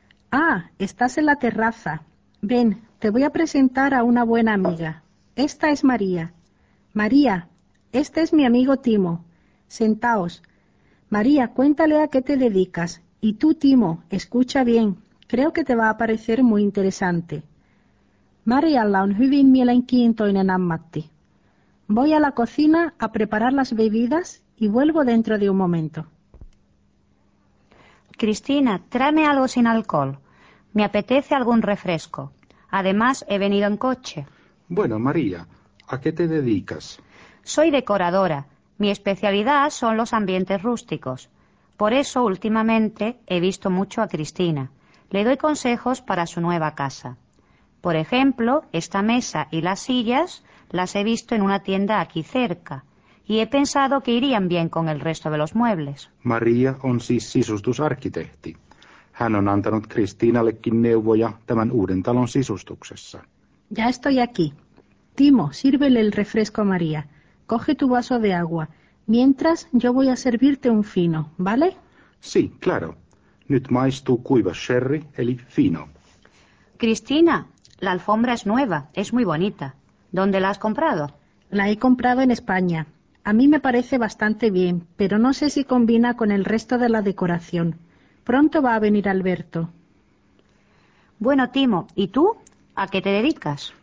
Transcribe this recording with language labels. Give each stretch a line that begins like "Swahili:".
Spanish: Ah, estás en la terraza. Ven, te voy a presentar a una buena amiga. Esta es María. María, este es mi amigo Timo. Sentaos. María, cuéntale a qué te dedicas. Y tú, Timo, escucha bien. Creo que te va a parecer muy interesante.
Finnish: Marialla on hyvin mielenkiintoinen ammatti.
Spanish: Voy a la cocina a preparar las bebidas y vuelvo dentro de un momento. Cristina, tráeme algo sin alcohol. Me apetece algún refresco. Además, he venido en coche. Bueno, María, ¿a qué te dedicas? Soy decoradora. Mi especialidad son los ambientes rústicos. Por eso, últimamente, he visto mucho a Cristina. Le doy consejos para su nueva casa. Por ejemplo, esta mesa y las sillas las he visto en una tienda aquí cerca y he pensado que irían bien con el resto de los muebles.
Finnish: María on siis sisustusarkkitehti. Hän on antanut Kristiinallekin neuvoja tämän uuden talon sisustuksessa.
Spanish: Ya estoy aquí. Timo, sírvele el refresco a María. Coge tu vaso de agua. Mientras, yo voy a servirte un fino, ¿vale? Sí, claro.
Finnish: Nyt maistuu kuiva sherry, eli fino.
Spanish: Cristina, la alfombra es nueva, es muy bonita. ¿Dónde la has comprado? La he comprado en España. A mí me parece bastante bien, pero no sé si combina con el resto de la decoración. Pronto va a venir Alberto. Bueno, Timo, ¿y tú? ¿A qué te dedicas?